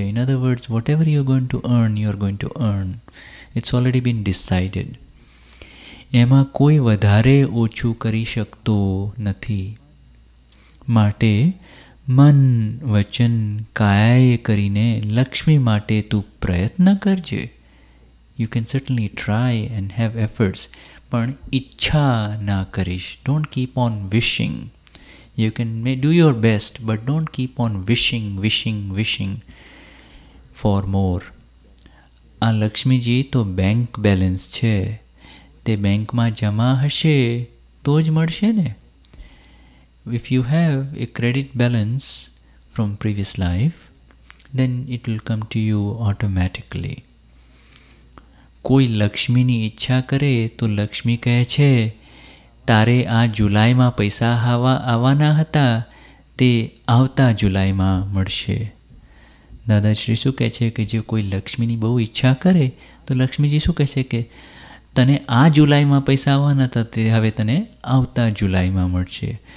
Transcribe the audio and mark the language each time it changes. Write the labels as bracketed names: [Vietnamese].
[English] In other words, whatever you going to earn, you are going to earn, it's already been decided. [Gujarati] એમાં કોઈ વધારે ઓછું કરી શકતો નથી. માટે મન વચન કાયાએ કરીને લક્ષ્મી માટે તું પ્રયત્ન કરજે. [English] You can certainly try and have efforts, [Gujarati] પણ ઈચ્છા ના કરીશ. [English] Don't keep on wishing. You can may do your best, but don't keep on wishing for more. [Gujarati] આ લક્ષ્મીજી તો બેંક બેલેન્સ છે, તે બેંકમાં જમા હશે તો જ મળશે ને. [English] If you have a credit balance from previous life, then it will come to you automatically. [Gujarati] કોઈ લક્ષ્મીની ઈચ્છા કરે તો લક્ષ્મી કહે છે, તારે આ જુલાઈમાં પૈસા આવવાના હતા, તે આવતા જુલાઈમાં મળશે. દાદાશ્રી શું કહે છે કે જો કોઈ લક્ષ્મીની બહુ ઈચ્છા કરે તો લક્ષ્મીજી શું કહે છે કે તને આ જુલાઈમાં પૈસા આવવાના હતા, તે હવે તને આવતા જુલાઈમાં મળશે.